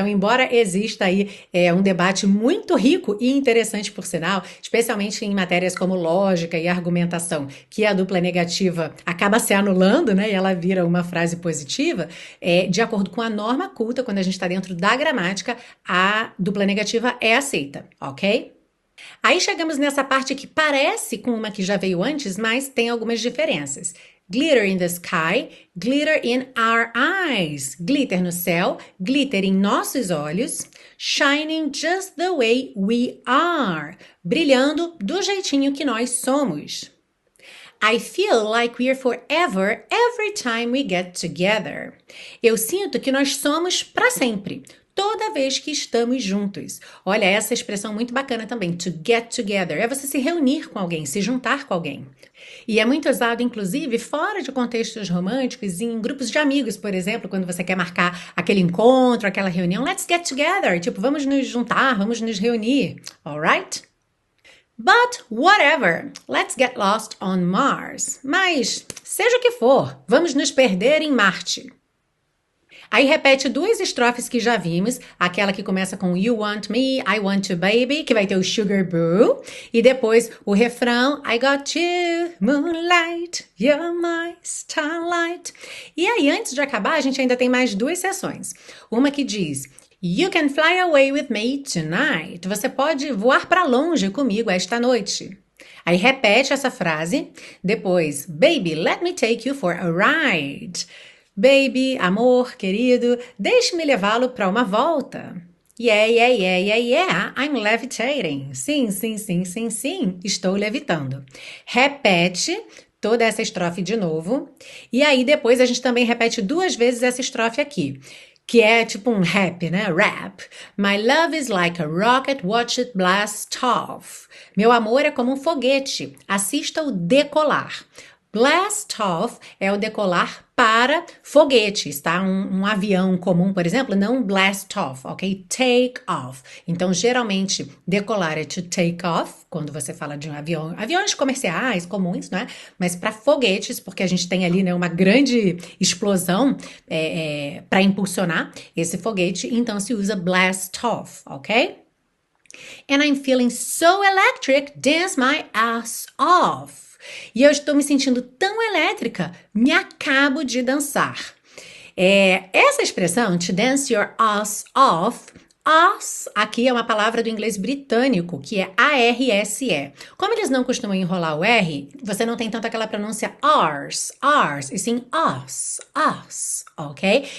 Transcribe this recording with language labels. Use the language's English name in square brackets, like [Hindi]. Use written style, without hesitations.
[Portuguese] Então, embora exista aí um debate muito rico e interessante, por sinal, especialmente em matérias como lógica e argumentação, que a dupla negativa acaba se anulando, né? E ela vira uma frase positiva, de acordo com a norma culta, quando a gente está dentro da gramática, a dupla negativa é aceita, ok? Aí chegamos nessa parte que parece com uma que já veio antes, mas tem algumas diferenças. [English] Glitter in the sky, glitter in our eyes. [Portuguese] Glitter no céu, glitter em nossos olhos. [English] Shining just the way we are. [Portuguese] Brilhando do jeitinho que nós somos. [English] I feel like we're forever every time we get together. [Portuguese] Eu sinto que nós somos para sempre, toda vez que estamos juntos. Olha, essa expressão muito bacana também, to get together, é você se reunir com alguém, se juntar com alguém. E é muito usado, inclusive, fora de contextos românticos, em grupos de amigos, por exemplo, quando você quer marcar aquele encontro, aquela reunião, [English] let's get together, [Portuguese] tipo, vamos nos juntar, vamos nos reunir, all right? [English] But whatever, let's get lost on Mars. [Portuguese] Mas, seja o que for, vamos nos perder em Marte. Aí repete duas estrofes que já vimos, aquela que começa com [English] You want me, I want you baby, [Portuguese] que vai ter o sugar boo, e depois o refrão [English] I got you, moonlight, you're my starlight. [Portuguese] E aí, antes de acabar, a gente ainda tem mais duas sessões. Uma que diz [English] You can fly away with me tonight. [Portuguese] Você pode voar para longe comigo esta noite. Aí repete essa frase. [English] Depois, baby, let me take you for a ride. [Portuguese] Baby, amor, querido, deixe-me levá-lo para uma volta. [English] Yeah, yeah, yeah, yeah, yeah, I'm levitating. [Portuguese] Sim, sim, sim, sim, sim, estou levitando. Repete toda essa estrofe de novo. E aí depois a gente também repete duas vezes essa estrofe aqui. Que é tipo um rap, né? Rap. [English] My love is like a rocket, watch it blast off. [Portuguese] Meu amor é como um foguete, assista-o decolar. Blast off é o decolar para foguetes, tá? Um avião comum, por exemplo, não blast off, ok? Take off. Então, geralmente, decolar é to take off, quando você fala de um avião. Aviões comerciais, comuns, não é? Mas para foguetes, porque a gente tem ali, né, uma grande explosão para impulsionar esse foguete, então se usa blast off, ok? [English] And I'm feeling so electric, dance my ass off. [Portuguese] E eu estou me sentindo tão elétrica, me acabo de dançar. Essa expressão, to dance your ass off, ass aqui é uma palavra do inglês britânico, que é A-R-S-E. Como eles não costumam enrolar o R, você não tem tanto aquela pronúncia ars, ars, e sim ass, ass, ok?